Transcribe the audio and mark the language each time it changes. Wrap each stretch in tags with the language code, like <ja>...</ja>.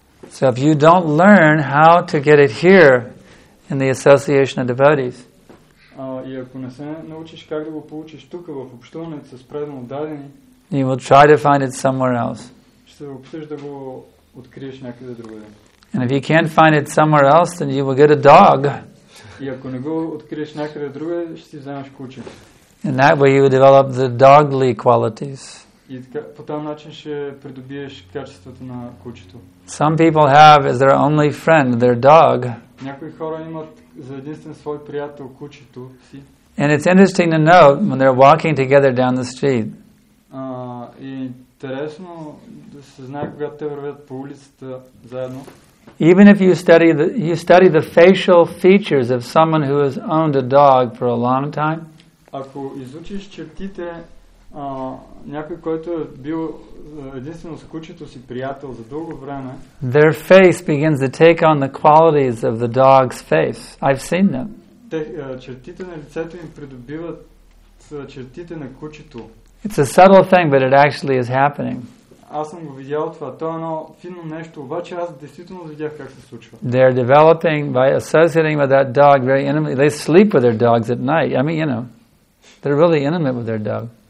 <en>So if you don't learn how to get it here in the association of devotees,</en> <bg>и ако не се научиш как да го получиш тук, в общуването с предно дадени,</bg> <en>you will try to find it somewhere else.</en> <bg>Ще се опиташ да го откриеш някъде другаде.</bg> <en>And if you can't find it somewhere else, then you will get a dog.</en> <bg>И ако не го откриеш някъде другаде, ще си вземеш куче.</bg> <en>And that way you will develop the dogly qualities.</en> <bg>И така, по този начин ще придобиеш качеството на кучето.</bg> <en>Some people have as their only friend their dog.</en> <bg>Някои хора имат за единствен свой приятел кучето си.</bg> <en>And it's interesting to note when they're walking together down the street.</en> <bg>И интересно да се знае, когато те вървят по улицата заедно.</bg> <en>Even if you study the facial features of someone who has owned a dog for a long time.</en> <bg>Ако изучиш чертите някой, който е бил единствено с кучето си приятел за дълго време.</bg> <en>Their face begins to take on the qualities of the dog's face. I've seen them.</en> <bg>Чертите на лицето им придобиват чертите на кучето.</bg> <en>It's a subtle thing, but it actually is happening.</en> <bg>Аз съм го видял това. То е едно фино нещо, обаче аз действително видях как се случва.</bg> <en>They're developing by associating with that dog very intimately. They sleep with their dogs at night. I mean, you know, they're really intimate with their dog.</en>